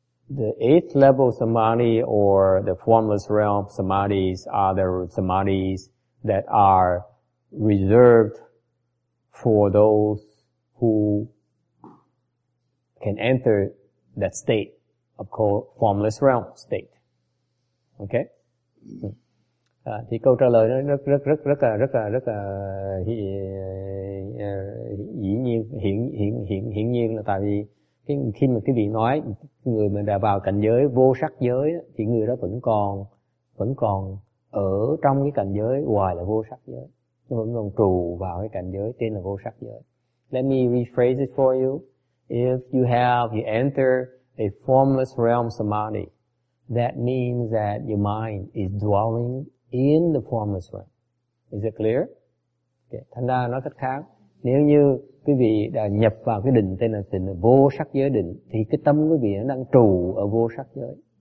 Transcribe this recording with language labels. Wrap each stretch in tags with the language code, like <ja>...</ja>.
<en>The eighth level samadhi or the formless realm samadhis are the samadhis that are reserved for those who can enter that state of formless realm state. Okay?</en> <vi>Thì câu trả lời nó rất là hiển nhiên là tại vì khi mà cái vị nói người mà đã vào cảnh giới vô sắc giới thì người đó vẫn còn ở trong cái cảnh giới hoài là vô sắc giới, nhưng vẫn còn trụ vào cái cảnh giới tên là vô sắc giới.</vi> <en>Let me rephrase it for you. If you enter a formless realm samadhi, that means that your mind is dwelling in the formless realm. Is it clear? Okay.</en> <vi>Thành ra nói cách khác, nếu như quý vị đã nhập vào cái định tên là định vô sắc giới định, thì cái tâm quý vị nó đang trụ ở vô sắc giới.</vi>